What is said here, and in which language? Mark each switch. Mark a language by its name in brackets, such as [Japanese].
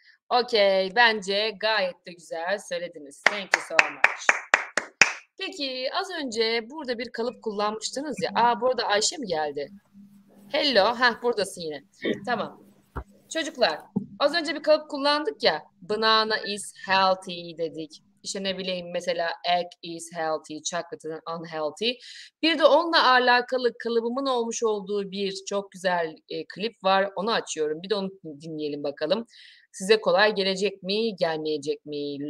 [Turkish] Okay, bence gayet de güzel söylediniz. [English] Thank you so much. [Turkish] Peki, az önce burada bir kalıp kullanmıştınız ya. Aa, burada Ayşe mi geldi? Hello, heh buradasın yine. Tamam. Çocuklar, az önce bir kalıp kullandık ya. [English] Banana is healthy [Turkish] dedik. İşte ne bileyim mesela [English] egg is healthy, chocolate is unhealthy. [Turkish] Bir de onunla alakalı kalıbımın olmuş olduğu bir çok güzel klip var. Onu açıyorum. Bir de onu dinleyelim bakalım. Size kolay gelecek mi, gelmeyecek mi?